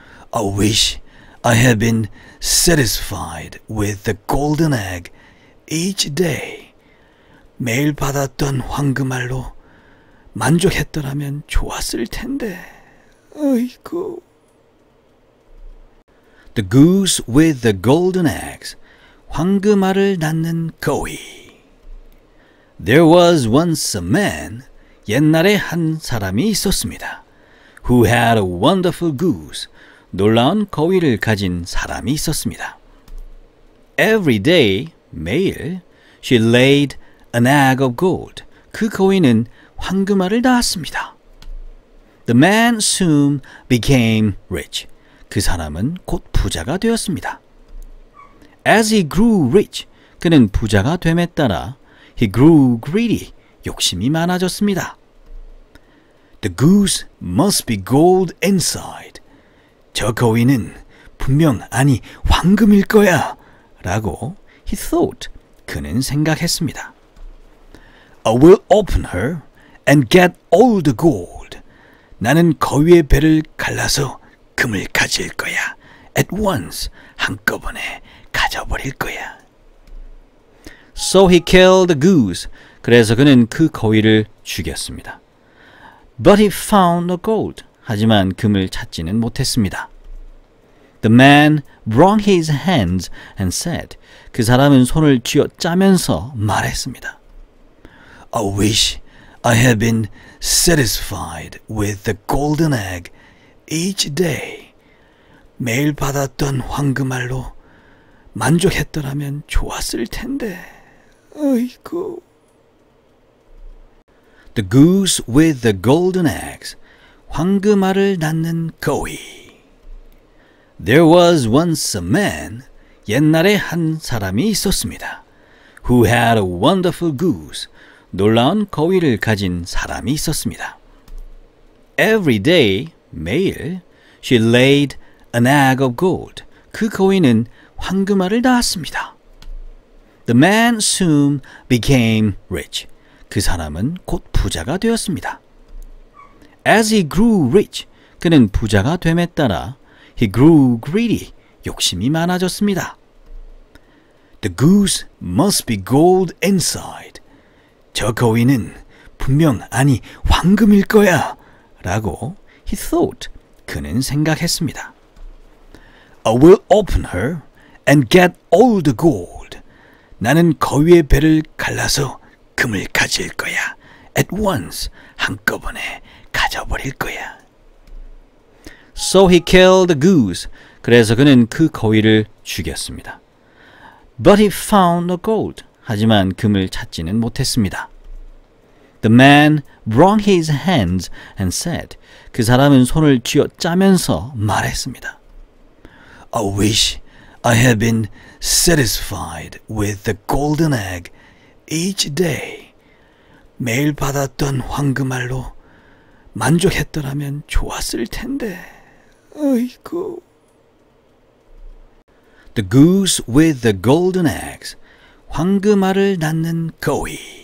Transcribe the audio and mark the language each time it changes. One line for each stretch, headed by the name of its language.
English: I wish I had been satisfied with the golden egg each day.
Korean: 매일 받았던 황금 알로 만족했더라면 좋았을 텐데. 아이고.
English: The goose with the golden eggs.
Korean: 황금 알을 낳는 거위.
English: There was once a man,
Korean: 옛날에 한 사람이 있었습니다.
English: Who had a wonderful goose,
Korean: 놀라운 거위를 가진 사람이 있었습니다.
English: Every day, 매일, she laid an egg of gold.
Korean: 그 거위는 황금 알을 낳았습니다.
English: The man soon became rich.
Korean: 그 사람은 곧 부자가 되었습니다.
English: As he grew rich,
Korean: 그는 부자가 됨에 따라
English: He grew greedy.
Korean: 욕심이 많아졌습니다.
English: The goose must be gold inside.
Korean: 저 거위는 분명 아니 황금일 거야. 라고
English: he thought.
Korean: 그는 생각했습니다.
English: I will open her and get all the gold.
Korean: 나는 거위의 배를 갈라서 금을 가질 거야.
English: At once.
Korean: 한꺼번에 가져버릴 거야.
English: So he killed the goose.
Korean: 그래서 그는 그 거위를 죽였습니다.
English: But he found the gold.
Korean: 하지만 금을 찾지는 못했습니다.
English: The man wrung his hands and said,
Korean: 그 사람은 손을 쥐어짜면서 말했습니다.
English: I wish I had been satisfied with the golden egg each day.
Korean: 매일 받았던 황금 알로 만족했더라면 좋았을 텐데. 아이고.
English: The goose with the golden eggs.
Korean: 황금 알을 낳는 거위.
English: There was once a man.
Korean: 옛날에 한 사람이 있었습니다.
English: Who had a wonderful goose.
Korean: 놀라운 거위를 가진 사람이 있었습니다.
English: Every day, 매일, she laid an egg of gold.
Korean: 그 거위는 황금 알을 낳았습니다.
English: The man soon became rich.
Korean: 그 사람은 곧 부자가 되었습니다.
English: As he grew rich,
Korean: 그는 부자가 됨에 따라
English: he grew greedy,
Korean: 욕심이 많아졌습니다.
English: The goose must be gold inside.
Korean: 저 거위는 분명 아니 황금일 거야. 라고
English: he thought.
Korean: 그는 생각했습니다.
English: I will open her and get all the gold.
Korean: 나는 거위의 배를 갈라서 금을 가질 거야.
English: At once,
Korean: 한꺼번에 가져버릴 거야.
English: So he killed the goose.
Korean: 그래서 그는 그 거위를 죽였습니다.
English: But he found the gold.
Korean: 하지만 금을 찾지는 못했습니다.
English: The man wrung his hands and said,
Korean: 그 사람은 손을 쥐어짜면서 말했습니다.
English: I wish I had been satisfied with the golden egg each day.
Korean: 매일 받았던 황금 알로 만족했더라면 좋았을 텐데. 아이고.
English: The goose with the golden eggs.
Korean: 황금 알을 낳는 거위.